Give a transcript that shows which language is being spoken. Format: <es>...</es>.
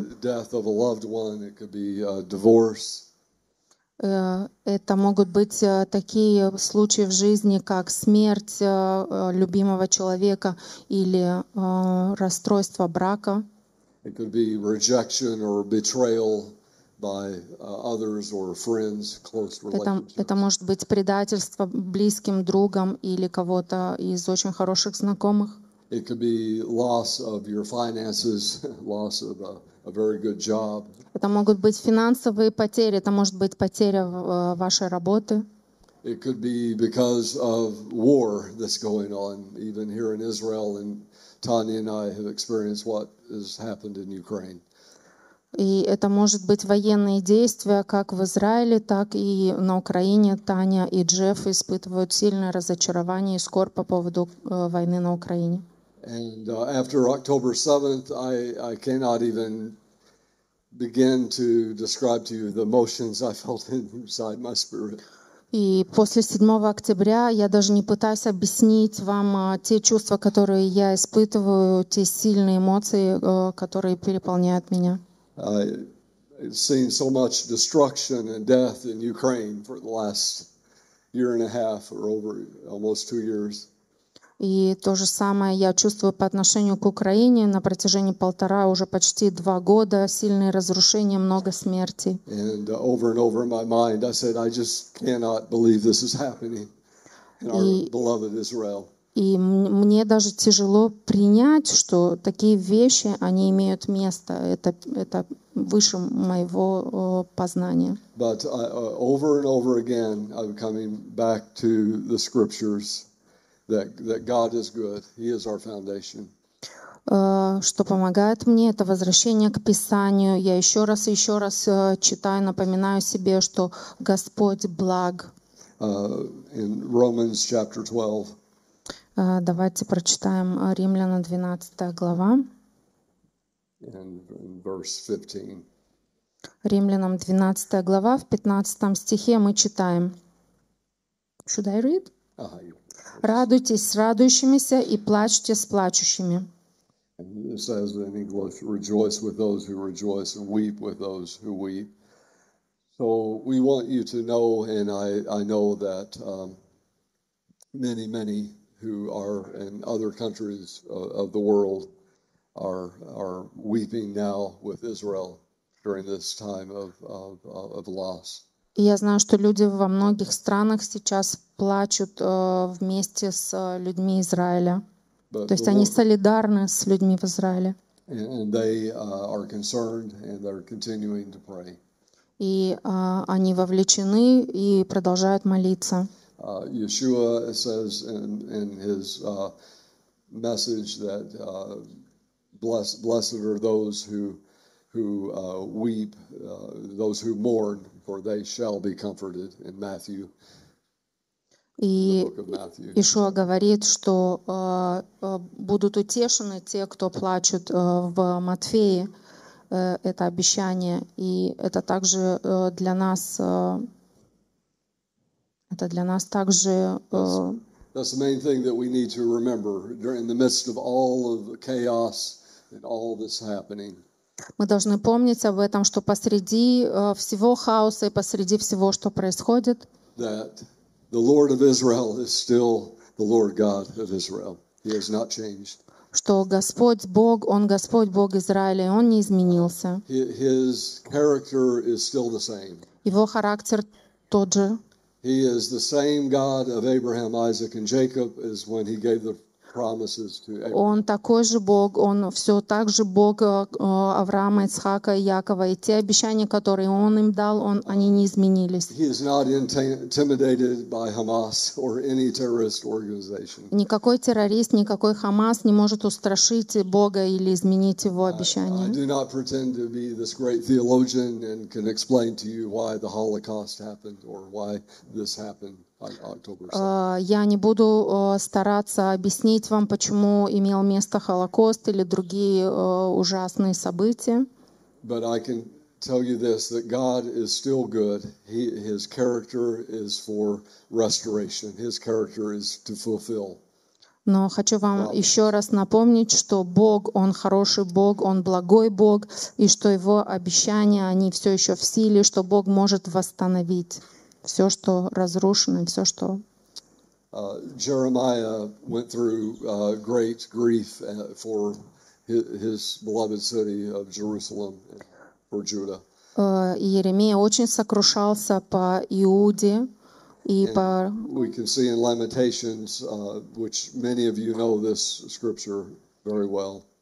<en>It could be the death of a loved one, it could be a divorce.</en> <ru>Это могут быть такие случаи в жизни, как смерть любимого человека или расстройство брака.</ru> <en>It could be rejection or betrayal by others or friends, close relationships.</en> <ru>Это может быть предательство близким другом или кого-то из очень хороших знакомых.</ru> <en>It could be loss of your finances, loss of a very good job.</en> <ru>Это могут быть финансовые потери, это может быть потеря вашей работы.</ru> <en>It could be because of war that's going on, even here in Israel, and Tanya and I have experienced what has happened in Ukraine.</en> <ru>И это может быть военные действия, как в Израиле, так и на Украине. Таня и Джефф испытывают сильное разочарование и скорбь по поводу войны на Украине.</ru> <en>And after October 7th, I cannot even begin to describe to you the emotions I felt inside my spirit.</en> <ru>И после 7 октября я даже не пытаюсь объяснить вам те чувства, которые я испытываю, те сильные эмоции, которые переполняют меня.</ru> <en>I've seen so much destruction and death in Ukraine for the last year and a half or over almost 2 years.</en> <ru>И то же самое я чувствую по отношению к Украине на протяжении полтора, уже почти 2 года, сильные разрушения, много смерти.</ru> <en>And over and over in my mind, I said, I just cannot believe this is happening in our beloved Israel.</en> <ru>И мне даже тяжело принять, что такие вещи, они имеют место. Это выше моего познания.</ru> <en>But over and over again, I'm coming back to the scriptures. That God is good. He is our foundation.</en> <ru>Что помогает мне, это возвращение к Писанию. Я еще раз читаю, напоминаю себе, что Господь благ.</ru> <en>In Romans chapter 12.</en> <ru>Давайте прочитаем Римлянам 12 глава.</ru> <en>And in verse 15.</en> <ru>Римлянам 12 глава, в 15 стихе мы читаем.</ru> <en>Should I read?</en> <ru>Радуйтесь с радующимися и плачьте с плачущими.</ru> <en>It says in English, rejoice with those who rejoice and weep with those who weep. So we want you to know, and I know that many, many who are in other countries of the world are weeping now with Israel during this time of loss.</en> <ru>Я знаю, что люди во многих странах сейчас плачут вместе с людьми Израиля. То есть они солидарны с людьми в Израиле.</ru> <en>And they are concerned and they're continuing to pray.</en> <ru>И они вовлечены и продолжают молиться.</ru> <en>Yeshua says in his message that blessed are those who weep, those who mourn, for they shall be comforted in Matthew.</en> <ru>И Иешуа говорит, что будут утешены те, кто плачут в Матфее, это обещание, и это также для нас, это для нас также.</ru> <en>That's the main thing that we need to remember during the midst of all of the chaos and all this happening.</en> <ru>Мы должны помнить об этом, что посреди всего хаоса и посреди всего, что происходит.</ru> <en>The Lord of Israel is still the Lord God of Israel. He has not changed.</en> <ru>Что Господь Бог, Он Господь Бог Израиля, и Он не изменился.</ru> <en>His character is still the same.</en> <ru>Его характер тот же.</ru> <en>He is the same God of Abraham, Isaac, and Jacob as when He gave the promises to Abraham.</en> <ru>Он такой же Бог, Он все так же Бог Авраама, Ицхака и Якова. И те обещания, которые Он им дал, он, они не изменились.</ru> <en>He is not intimidated by Hamas or any terrorist organization.</en> <ru>Никакой террорист, никакой Хамас не может устрашить Бога или изменить Его обещания.</ru> <en>I do not pretend to be this great theologian and can explain to you why the Holocaust happened or why this happened.</en> <ru>Я не буду стараться объяснить вам, почему имел место Холокост или другие ужасные события.</ru> <en>But I can tell you this, that God is still good. His character is for restoration. His character is to fulfill.</en> <ru>Но хочу вам еще раз напомнить, что Бог, Он хороший Бог, Он благой Бог, и что Его обещания, они все еще в силе, что Бог может восстановить. Все, что разрушено, все, что...</ru> <en>Jeremiah went through great grief for his beloved city of Jerusalem, for Judah.</en> <ru>Иеремия очень сокрушался по Иуде и по...</ru> <en>We can see in Lamentations, which many of you know this scripture very well.</en>